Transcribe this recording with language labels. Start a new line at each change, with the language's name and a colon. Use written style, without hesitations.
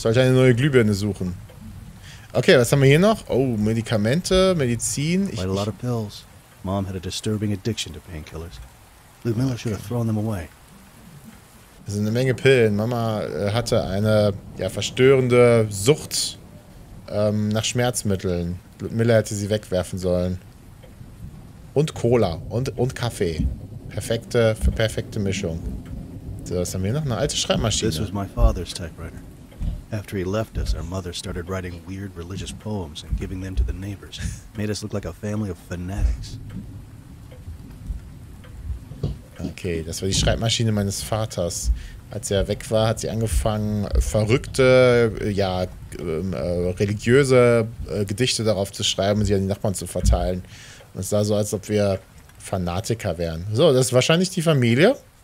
German: sollte eine neue Glühbirne suchen. Okay, was haben wir hier noch? Oh, Medikamente, Medizin.
English: Quite a lot of pills. Mom had a disturbing addiction to painkillers. Ludmilla should have thrown them away.
German: Das sind eine Menge Pillen. Mama hatte eine, ja, verstörende Sucht nach Schmerzmitteln. Ludmilla hätte sie wegwerfen sollen. Und Cola und Kaffee. Perfekte Mischung. So, was haben wir hier noch? Eine alte Schreibmaschine.
English: This was my father's typewriter. After he left us, our mother started writing weird religious poems and giving them to the neighbors. Made us look like a family of fanatics.
German: Okay, das war die Schreibmaschine meines Vaters. Als er weg war, hat sie angefangen, verrückte, ja, religiöse Gedichte darauf zu schreiben und sie an die Nachbarn zu verteilen. Und es sah so, als ob wir Fanatiker wären. So, das ist wahrscheinlich die Familie.